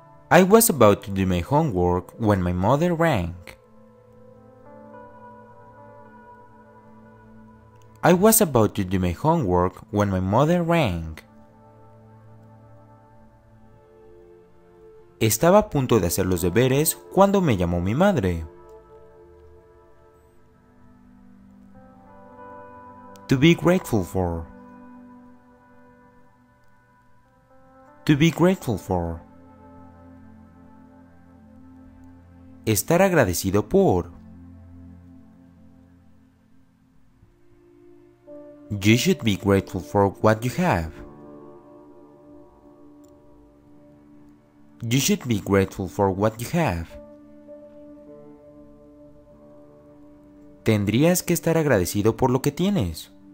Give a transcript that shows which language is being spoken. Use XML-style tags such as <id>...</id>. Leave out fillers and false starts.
<en>I was about to do my homework when my mother rang. I was about to do my homework when my mother rang.</en> <es>Estaba a punto de hacer los deberes cuando me llamó mi madre.</es> <en>To be grateful for. To be grateful for.</en> <es>Estar agradecido por.</es> <en>You should be grateful for what you have. You should be grateful for what you have.</en> <es>Tendrías que estar agradecido por lo que tienes.</es>